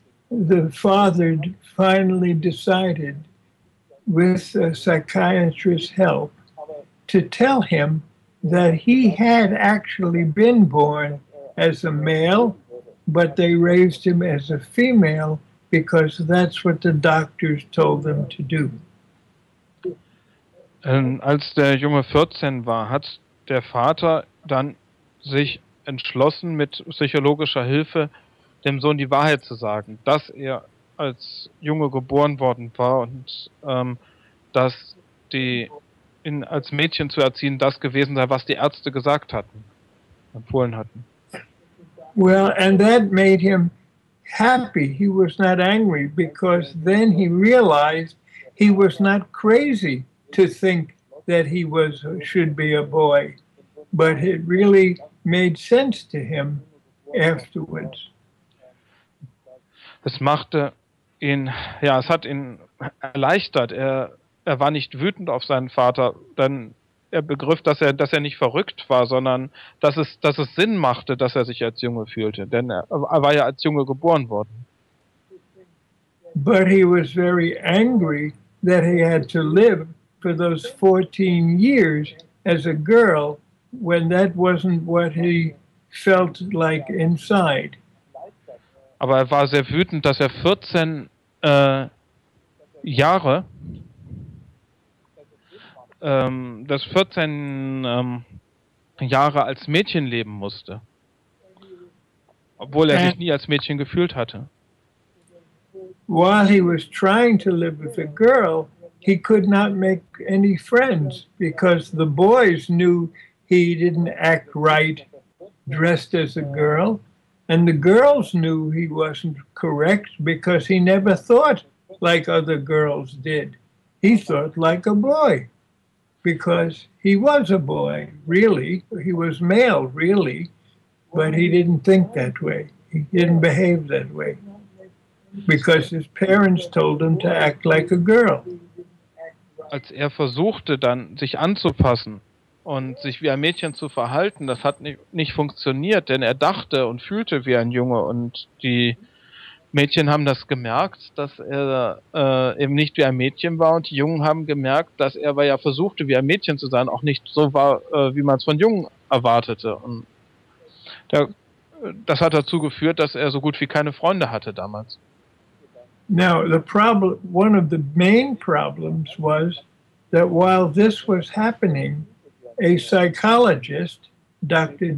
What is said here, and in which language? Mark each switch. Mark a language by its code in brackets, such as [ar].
[en] The father finally decided, with a psychiatrist's help, to tell him that he had actually been born as a male, but they raised him as a female because that's what the doctors told them to do. [de] Als der Junge 14 war, hat der Vater dann sich entschlossen, mit psychologischer Hilfe dem Sohn die Wahrheit zu sagen, dass er als Junge geboren worden war und dass ihn als Mädchen zu erziehen das gewesen sei, was die Ärzte gesagt hatten, empfohlen hatten. [en] Well, and that made him happy. He was not angry, because then he realized he was not crazy to think that he was should be a boy, but it really made sense to him afterwards. [de] Es hat ihn erleichtert. Er war nicht wütend auf seinen Vater, denn er begriff, dass er nicht verrückt war, sondern dass es Sinn machte, dass er sich als Junge fühlte, denn er war ja als Junge geboren worden. [en] But he was very angry that he had to live for those 14 years as a girl, when that wasn't what he felt like inside. [de] Aber er war sehr wütend, dass er 14 Jahre, dass 14 Jahre als Mädchen leben musste, obwohl er sich nie als Mädchen gefühlt hatte. [en] While he was trying to live with a girl, he could not make any friends, because the boys knew he didn't act right dressed as a girl. And the girls knew he wasn't correct, because he never thought like other girls did. He thought like a boy, because he was a boy, really. He was male, really, but he didn't think that way. He didn't behave that way, because his parents told him to act like a girl. [de] Als er versuchte dann, sich anzupassen und sich wie ein Mädchen zu verhalten, das hat nicht funktioniert, denn er dachte und fühlte wie ein Junge und die Mädchen haben das gemerkt, dass er eben nicht wie ein Mädchen war, und die Jungen haben gemerkt, dass er, weil er versuchte, wie ein Mädchen zu sein, auch nicht so war, wie man es von Jungen erwartete. Und das hat dazu geführt, dass er so gut wie keine Freunde hatte damals. [en] Now, one of the main problems was that while this was happening, a psychologist, Dr.